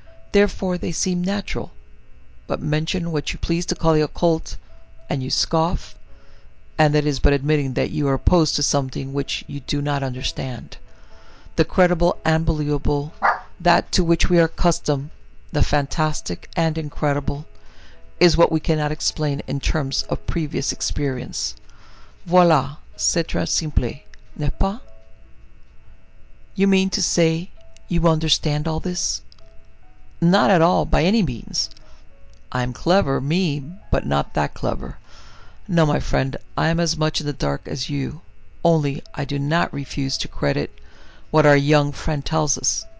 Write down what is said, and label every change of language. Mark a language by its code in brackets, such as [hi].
[en] Therefore, they seem natural. But mention what you please to call the occult, and you scoff, and that is but admitting that you are opposed to something which you do not understand. The credible and believable, that to which we are accustomed, the fantastic and incredible, is what we cannot explain in terms of previous experience. [fr] Voilà, c'est très simple, n'est-ce pas? [en] You mean to say you understand all this? Not at all, by any means. I'm clever, me, but not that clever. No, my friend, I am as much in the dark as you. Only, I do not refuse to credit what our young friend tells us.